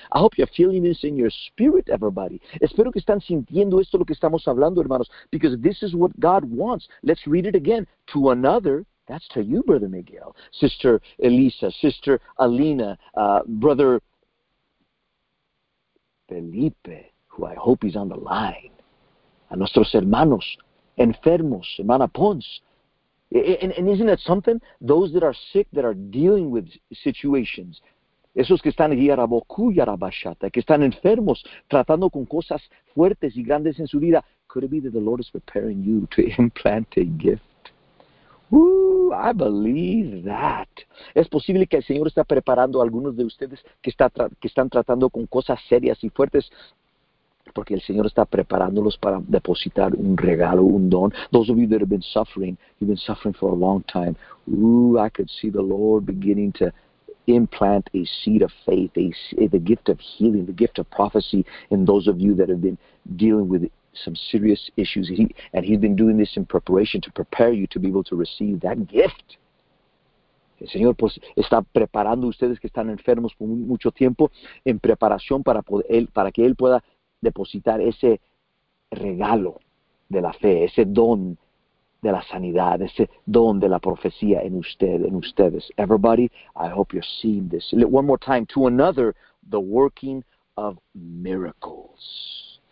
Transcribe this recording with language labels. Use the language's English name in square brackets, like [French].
[English] I hope you're feeling this in your spirit, everybody. [Spanish] Espero que están sintiendo esto lo que estamos hablando, hermanos. [English] Because this is what God wants. Let's read it again. To another. That's to you, Brother Miguel, Sister Elisa, Sister Alina, Brother Felipe, who I hope is on the line. [Spanish] A nuestros hermanos, enfermos, hermana Pons. [English] And isn't that something? Those that are sick, that are dealing with situations. [Spanish] Esos que están aquí, Yarabocu, Yarabashata, que están enfermos, tratando con cosas fuertes y grandes en su vida. [English] Could it be that the Lord is preparing you to implant a gift? I believe that. [Spanish] Es posible que el Señor está preparando a algunos de ustedes que están tratando con cosas serias y fuertes, porque el Señor está preparándolos para depositar un regalo, un don. [English] Those of you that have been suffering, you've been suffering for a long time. Ooh, I could see the Lord beginning to implant a seed of faith, the gift of healing, the gift of prophecy in those of you that have been dealing with some serious issues. He's been doing this in preparation to prepare you to be able to receive that gift. [Spanish] El Señor pues está preparando ustedes que están enfermos por mucho tiempo en preparación para que Él pueda depositar ese regalo de la fe, ese don de la sanidad, ese don de la profecía en ustedes. [English] Everybody, I hope you're seeing this. One more time, to another, the working of miracles.